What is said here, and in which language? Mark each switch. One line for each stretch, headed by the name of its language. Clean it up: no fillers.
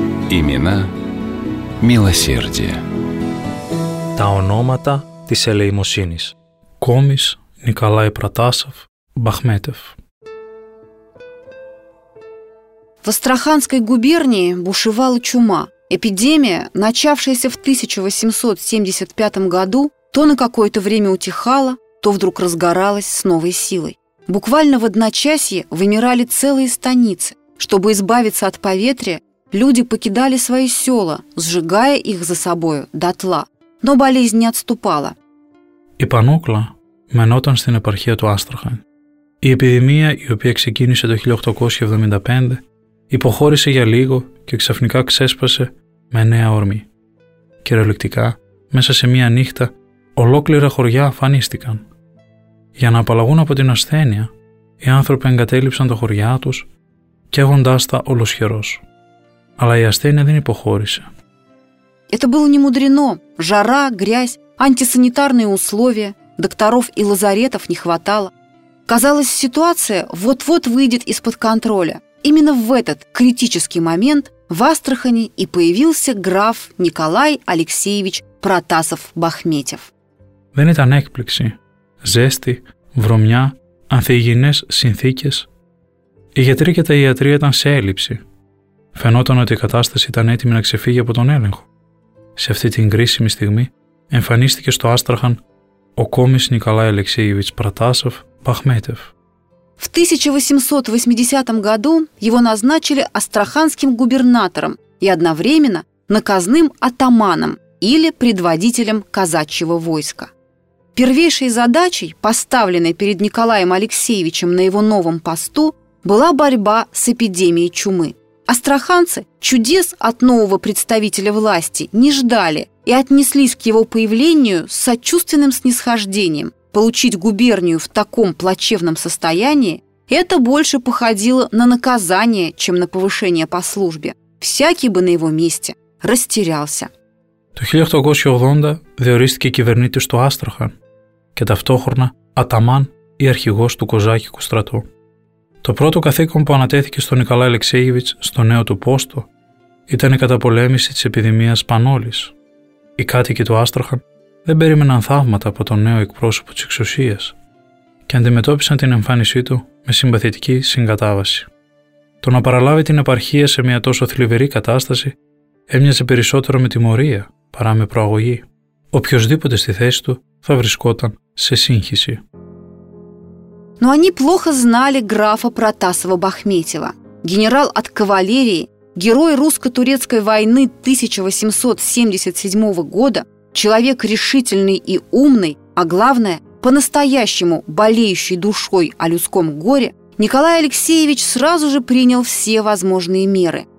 Russian: Имена милосердия.
Greek: Τα ονόματα της ελεημοσύνης. Κόμις Νικολάη Πρατάσοφ, Μπαχμέτεφ.
Russian: В Астраханской губернии бушевала чума. Эпидемия, начавшаяся в 1875 году, то на какое-то время утихала, то вдруг разгоралась с новой силой. Буквально в одночасье вымирали целые станицы. Чтобы избавиться от поветрия, люди покидали свои села, сжигая их за собою дотла. Но болезнь не отступала.
Greek: И Панокла менотан στην επαρχία του Άστραχαν. Η επιδημία, η οποία ξεκίνησε το 1875, υποχώρησε για λίγο και ξαφνικά ξέσπασε με νέα όρμη. Κυριολεκτικά, μέσα σε μία νύχτα, ολόκληρα χωριά αφανίστηκαν. Για να απαλλαγούν από την ασθένεια, οι άνθρωποι εγκατέλειψαν τα χωριά τους, καίγοντάς τα ολοσχερός. Αλλά η ασθένεια δεν υποχώρησε.
Russian: Это было не мудрено. Жара, грязь, антисанитарные условия, докторов и лазаретов не хватало. Казалось, ситуация вот-вот выйдет из-под контроля. Именно в этот критический момент в Астрахани и появился граф Николай Алексеевич Протасов-Бахметев.
Greek: Δεν ήταν έκπληξη. Ζέστη, βρωμιά, ανθυγιεινές συνθήκες. Οι γιατροί και τα ιατρία ήταν σε έλλειψη. Φαινόταν ότι η κατάσταση ήταν έτοιμη να ξεφύγει από τον έλεγχο. Σε αυτή την κρίσιμη στιγμή εμφανίστηκε στο Άστραχαν ο κόμις Νικολάη Αλεξίεβιτς Πρατάσοφ-Μπαχμέτεφ.
Russian: В 1880 году его назначили астраханским губернатором и одновременно наказным атаманом или предводителем казачьего войска. Первейшей задачей, поставленной перед Николаем Алексеевичем на его новом посту, была борьба с эпидемией чумы. Астраханцы чудес от нового представителя власти не ждали и отнеслись к его появлению с сочувственным снисхождением. Получить губернию в таком плачевном состоянии – это больше походило на наказание, чем на повышение по службе. Всякий бы на его месте растерялся.
Greek: Το 1880 διορίστηκε κυβερνήτης του Άστραχαν και ταυτόχρονα αταμάν ή αρχηγός του Κοζάκικου στρατού. Το πρώτο καθήκον που ανατέθηκε στον Νικολάη Αλεξέγεβιτς στο νέο του πόστο ήταν η καταπολέμηση της επιδημίας πανόλης. Οι κάτοικοι του Άστραχαν δεν περίμεναν θαύματα από τον νέο εκπρόσωπο της εξουσίας και αντιμετώπισαν την εμφάνισή του με συμπαθητική συγκατάβαση. Το να παραλάβει την επαρχία σε μια τόσο θλιβερή κατάσταση έμοιαζε περισσότερο με τιμωρία παρά με προαγωγή. Οποιοςδήποτε στη θέση του θα βρισκόταν σε σύγχυση.
Russian: Но они плохо знали графа Протасова-Бахметева, генерал от кавалерии, герой русско-турецкой войны 1877 года, человек решительный и умный, а главное, по-настоящему болеющий душой о людском горе, Николай Алексеевич сразу же принял все возможные меры.